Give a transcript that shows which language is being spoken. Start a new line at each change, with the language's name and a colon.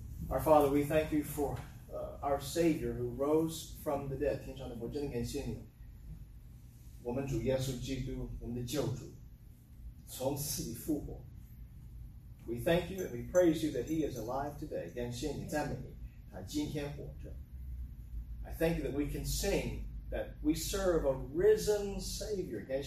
English: Our Father, we thank you for our Savior who rose from the dead.
Chinese: 天上的父，真的感谢你，我们主耶稣基督，我们的救主，从死里复活。
English: We thank you and we praise you that he is alive today.
Chinese: 感谢你，赞美你，他今天活着。
English: I thank you that we can sing that we serve a risen Savior.